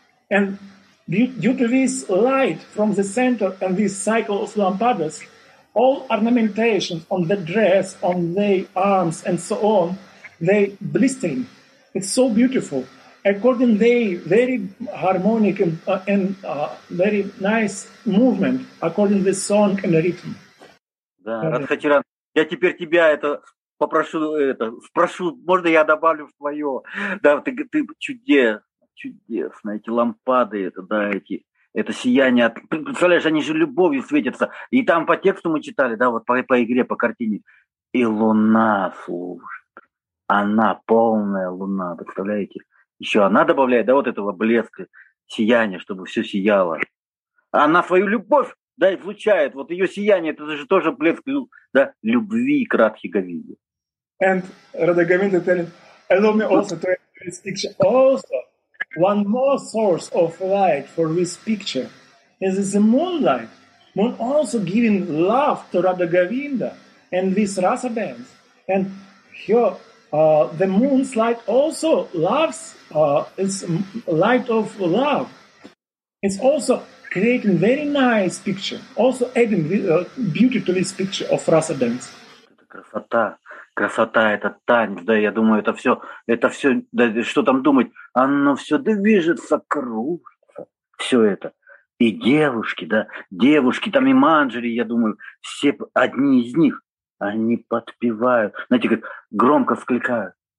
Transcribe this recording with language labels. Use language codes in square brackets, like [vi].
[en] And due to this light from the center and this cycle of lampadas, all ornamentations on the dress, on the arms, and so on, they blistering. It's so beautiful. According to their very harmonic and very nice movement, according to the song and the rhythm. [ru] Да, Радхачаран, я теперь тебя это попрошу, это спрошу, можно я добавлю в твое? Да, ты чудесно, эти лампады, это да, это сияние. Представляешь, они же любовью светятся. И там по тексту мы читали, да, вот по игре, по картине. И луна служит. Она полная луна, представляете? Еще она добавляет, да, вот этого блеска, сияния, чтобы все сияло. Она свою любовь, да, излучает. Вот ее сияние, это же тоже блеск, да, любви к Радхе Говинде. [en] And Radha Govinda telling, allow me also to add this picture. Also, one more source of light for this picture is the moonlight. Moon also giving love to Radha Govinda and this rasa dance. And here, the moon's light also loves, it's light of love. It's also creating very nice picture, also adding beauty to this picture of rasa dance. [ru] Красота. Красота, это танец, да, я думаю, это все, да, что там думать, оно все движется, кружится, все это. И девушки, да, девушки, там и манджери, я думаю, все одни из них, они подпевают, знаете, как громко вскликают.